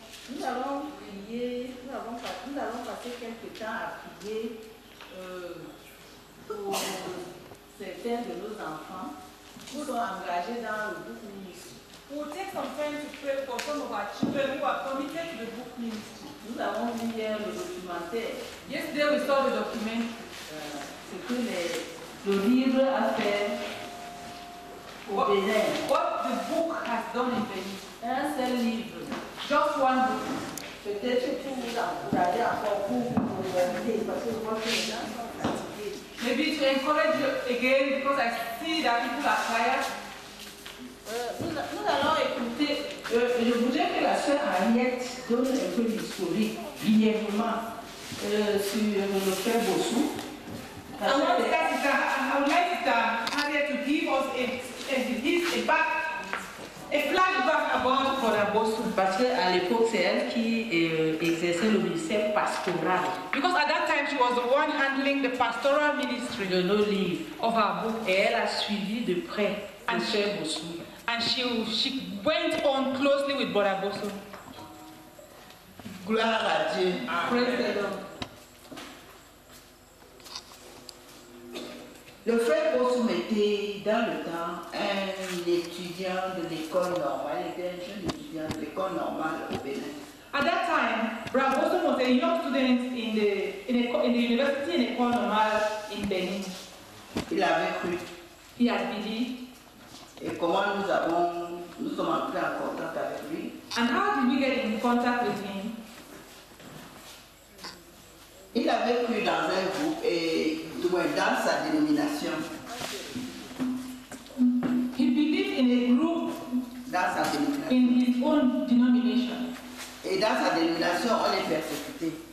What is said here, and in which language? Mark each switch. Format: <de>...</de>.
<fr>Nous avons prié, nous avons passé quelque temps à prier pour certains de nos enfants qui sont engagés dans le</fr> <en>book ministry. We'll take some time to pray for some of our children who are committed to the book ministry.</en> <fr>Nous avons vu hier le documentaire.</fr> <en>Yesterday we saw the document.</en> <fr>Ce que le livre a fait au Bénin.</fr> <en>What the book has done in Bénin.</en> <fr>Un seul livre.</fr> <en>Just one book.</en> <fr>Peut-être que vous encouragez encore pour parce que je vois que les gens sont fatigués.</fr> <en>Maybe to encourage you again because I see that people are tired.</en> <fr>Nous allons écouter. Je voudrais que la sœur Ariette donne un peu d'historique brièvement sur le frère Bossou.</fr> <en>I would like Ariette to give us a flashback about Frère Bossou.</en> <fr>Parce qu'à l'époque, c'est elle qui exerçait le ministère pastoral.</fr> <en>Because at that time, she was the one handling the pastoral ministry</en> <fr>de nos livres.</fr> <en>Of our book.</en> <fr>Et elle a suivi de près le frère Bossou.</fr> <en>And she went on closely with Brother Bossou.</en> <fr>Gloire à Dieu.</fr> <en>Praise the Lord.</en> <fr>Le frère Bossou était dans le temps un étudiant de l'école normale. Il était un jeune étudiant de l'école normale au Bénin.</fr> <en>At that time, Brother Bossou was a young student in the university in l'école normale in Benin.</en> <fr>Il avait cru.</fr> <en>He had believed.</en> <fr>Et comment nous sommes entrés en contact avec lui?</fr> <en>And how did we get in contact with him?</en> <fr>Il avait cru dans un groupe et dans sa dénomination.</fr> <en>He believed in a group.</en> <fr>Dans sa dénomination.</fr> <en>In his own denomination.</en> <fr>Et dans sa dénomination, on est persécuté.</fr>